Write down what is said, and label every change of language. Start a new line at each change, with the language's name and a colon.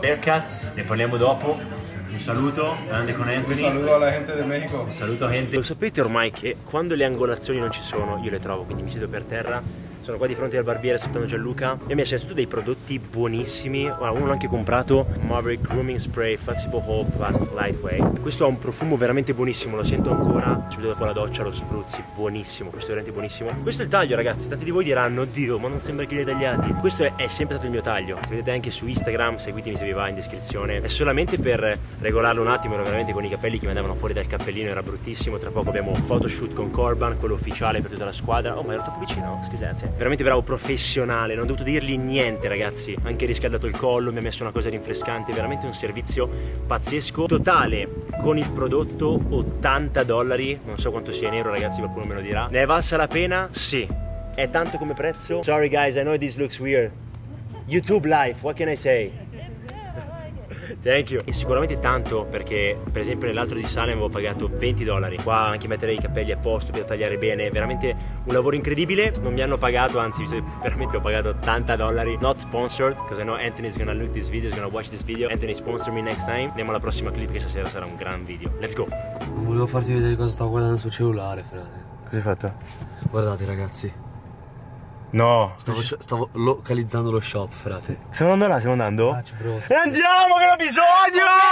Italian: Haircut, ne parliamo dopo. Un saluto, grande con Anthony. Un saluto alla gente del Messico. Un saluto gente. Lo sapete ormai che quando le angolazioni non ci sono, io le trovo, quindi mi siedo per terra. Sono qua di fronte al barbiere aspettando Gianluca. E mi ha scelto dei prodotti buonissimi. Uno l'ho anche comprato.
English: Maverick Grooming Spray Flexible Hope Fast Lightweight.
Italian: Questo ha un profumo veramente buonissimo, lo sento ancora. Subito dopo la doccia lo spruzzi. Buonissimo, questo è veramente buonissimo. Questo è il taglio ragazzi. Tanti di voi diranno, oddio, ma non sembra che li hai tagliati. Questo è sempre stato il mio taglio. Se vedete anche su Instagram, seguitemi se vi va in descrizione. È solamente per regolarlo un attimo. Ero veramente con i capelli che mi andavano fuori dal cappellino. Era bruttissimo. Tra poco abbiamo un photoshoot con Corban, quello ufficiale per tutta la squadra. Oh, ma ero troppo vicino. Scusate. Veramente bravo, professionale, non ho dovuto dirgli niente ragazzi. Anche riscaldato il collo, mi ha messo una cosa rinfrescante. Veramente un servizio pazzesco. Totale, con il prodotto, $80. Non so quanto sia in euro ragazzi, qualcuno me lo dirà. Ne è valsa la pena? Sì. È tanto come prezzo?
English: Sorry guys, I know this looks weird. YouTube life, what can I say? Thank you.
Italian: E sicuramente tanto, perché per esempio nell'altro di Salem avevo pagato $20. Qua anche mettere i capelli a posto per tagliare bene, veramente un lavoro incredibile. Non mi hanno pagato, anzi veramente ho pagato $80.
English: Not sponsored, cause I know Anthony's gonna look this video, is gonna watch this video. Anthony, sponsor me next time.
Italian: Andiamo alla prossima clip, che stasera sarà un gran video.
English: Let's go.
Italian: Volevo farti vedere cosa stavo guardando sul cellulare, frate. Cos'hai fatto? Guardate ragazzi. No, stavo localizzando lo shop, frate. Stiamo andando là, stiamo andando? Ah, e andiamo, che ho bisogno!